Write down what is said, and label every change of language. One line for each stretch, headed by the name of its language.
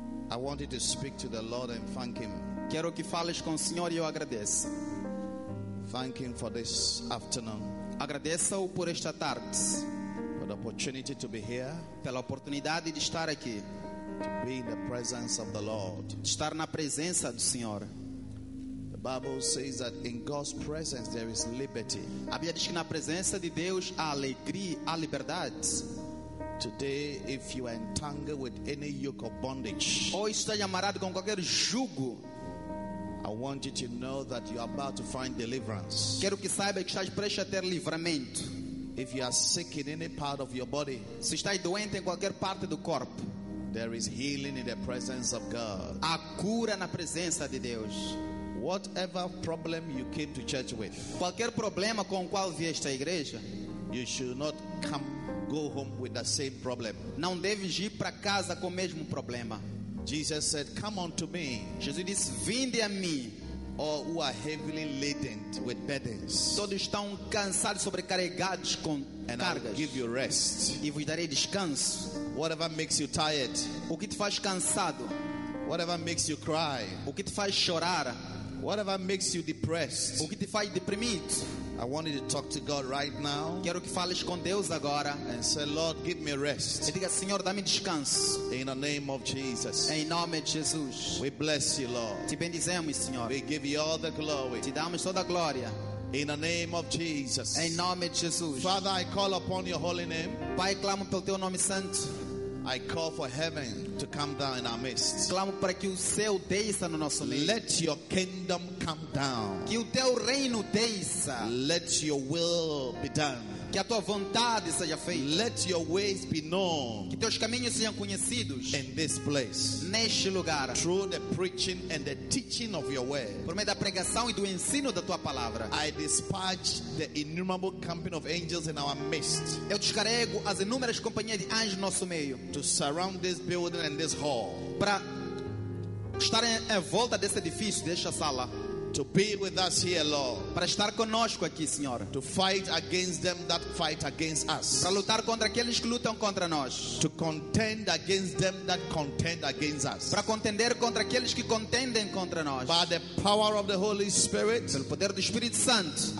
English: I want you to speak to the Lord and thank him.
Portuguese: Quero que fales com o Senhor e eu agradeço.
English: Thank him for this afternoon.
Portuguese: Agradeço-o por esta tarde.
English: For the opportunity to be here.
Portuguese: Pela oportunidade de estar aqui.
English: To be in the presence of the Lord.
Portuguese: De estar na presença do Senhor.
English: Bible says that in God's presence there is liberty.
Portuguese: A Bíblia diz que na presença de Deus há alegria, há liberdade.
English: Today, if you are entangled with any yoke of bondage,
Portuguese: hoje está amarrado com qualquer jugo,
English: I want you to know that you are about to find deliverance.
Portuguese: Quero que saiba que estás prestes a ter livramento.
English: If you are sick in any part of your body,
Portuguese: se estás doente em qualquer parte do corpo,
English: there is healing in the presence of God.
Portuguese: Há cura na presença de Deus.
English: Whatever problem you came to church with,
Portuguese: qualquer problema com o qual vieste à igreja,
English: you should not come go home with the same problem.
Portuguese: Não deves ir para casa com o mesmo problema.
English: Jesus said, "Come unto me."
Portuguese: Jesus disse, "Vinde a mim."
English: All who are heavily laden with burdens,
Portuguese: todos estão cansados, sobrecarregados com
English: and
Portuguese: cargas.
English: I'll give you rest.
Portuguese: E vos darei descanso.
English: Whatever makes you tired,
Portuguese: o que te faz cansado.
English: Whatever makes you cry,
Portuguese: o que te faz chorar.
English: Whatever makes you depressed,
Portuguese: o que te faz deprimir.
English: I wanted to talk to God right now.
Portuguese: Quero que fales com Deus agora.
English: And say, Lord, give me rest.
Portuguese: E diga, Senhor, dá-me descanso.
English: In the name of Jesus.
Portuguese: Em nome de Jesus.
English: We bless you, Lord.
Portuguese: Te bendizemos, Senhor.
English: We give you all the glory.
Portuguese: Te damos toda a glória.
English: In the name of Jesus.
Portuguese: Em nome de Jesus.
English: Father, I call upon your holy name.
Portuguese: Pai, clamo pelo teu nome santo.
English: I call for heaven to come down in our midst.
Portuguese: Clamo para que o céu desça no nosso meio.
English: Let your kingdom come down.
Portuguese: Que o teu reino desça.
English: Let your will be done.
Portuguese: Que a tua vontade seja feita.
English: Let your ways be known.
Portuguese: Que teus caminhos sejam conhecidos.
English: In this place.
Portuguese: Neste lugar.
English: Through the preaching and the teaching of your word.
Portuguese: Por meio da pregação e do ensino da tua palavra.
English: I dispatch the innumerable company of angels in our midst.
Portuguese: Eu descarrego as inúmeras companhias de anjos no nosso meio.
English: To surround this building and this hall.
Portuguese: Para estar em volta desse edifício, desta sala.
English: To be with us here, Lord.
Portuguese: Para estar conosco aqui, Senhor.
English: To fight against them that fight against us.
Portuguese: Para lutar contra aqueles que lutam contra nós.
English: To contend against them that contend against us.
Portuguese: Para contender contra aqueles que contendem contra nós.
English: By the power of the Holy Spirit.
Portuguese: Pelo poder do Espírito Santo.